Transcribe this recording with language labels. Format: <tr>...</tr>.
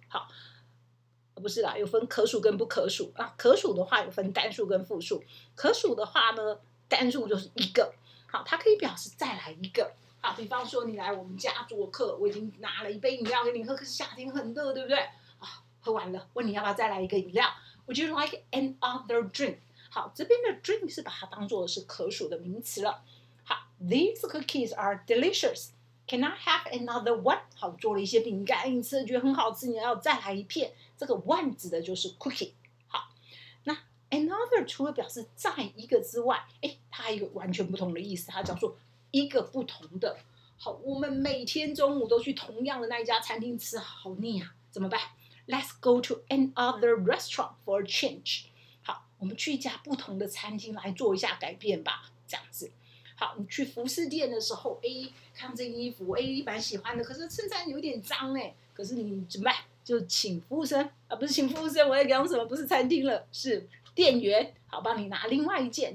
<zh>好，不是啦，有分可数跟不可数、啊、可数的话有分单数跟复数，可数的话呢，单数就是一个，好，它可以表示再来一个。好，比方说你来我们家做客，我已经拿了一杯饮料给你喝，可是夏天很热，对不对、啊、喝完了，问你要不要再来一个饮料。</zh> <en>Would you like another drink?</en> <zh>好，这边的 drink 是把它当作是可数的名词了。</zh> <en>好， These cookies are deliciousCan I have another one?</en> <zh>好，做了一些饼干，你吃的觉得很好吃，你要再来一片。这个 one 指的就是 cookie。好，那 another 除了表示再一个之外，它还有一个完全不同的意思，它叫做一个不同的。好，我们每天中午都去同样的那一家餐厅吃，好腻啊，怎么办？</zh> <en>Let's go to another restaurant for a change。</en> <zh>好，我们去一家不同的餐厅来做一下改变吧，这样子。好，你去服饰店的时候，哎，看这衣服，哎，蛮喜欢的，可是衬衫有点脏哎，可是你怎么办？就请服务生啊，不是请服务生，我在讲什么？不是餐厅了，是店员，好，帮你拿另外一件。</zh>